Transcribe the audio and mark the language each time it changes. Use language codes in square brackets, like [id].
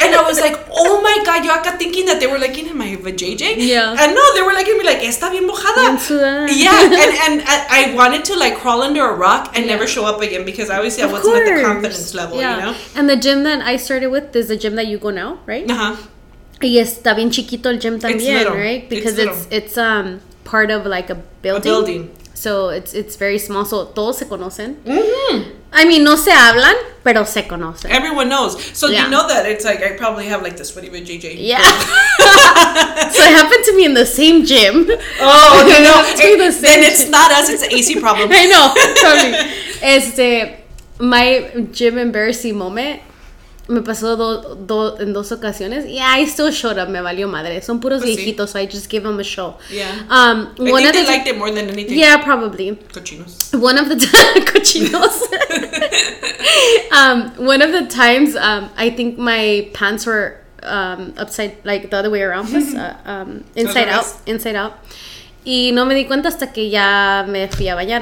[en] And I was like, oh, my God. [es] Yo acá [en] thinking that they were looking at my vajayjay. Yeah. And no, they were looking at me like, [es] está bien mojada. Bien sudada. [en] Yeah. And I wanted to, like, crawl under a rock and never show up again because obviously I wasn't at the confidence level, you know? And the gym that I started with is the gym that you go now, right? Uh-huh. [es] Y está bien chiquito el gym también, right? [en] Because it's part of, like, a building. A building. So it's very small. So [es] todos se conocen. Mm-hmm. [en] I mean, [es] no se hablan, pero se conocen. [en] Everyone knows. So you know that it's like, I probably have like the sweaty with JJ. Yeah. So it happened to me in the same gym. Oh, okay. No. It's not us. It's the AC problem. I know. Tell me. My gym embarrassing moment. [es] Me pasó en dos ocasiones. [en] Yeah, I still showed up. [es] Me valió madre. Son puros viejitos, [en] so I just gave them a show. Yeah. Liked it more than anything. Yeah, probably. [es] Cochinos. [en] One of the cochinos. One of the times, I think my pants were upside, like the other way around. Was, inside out. Inside out. [es] Y no me di cuenta hasta que ya me fui a bañar.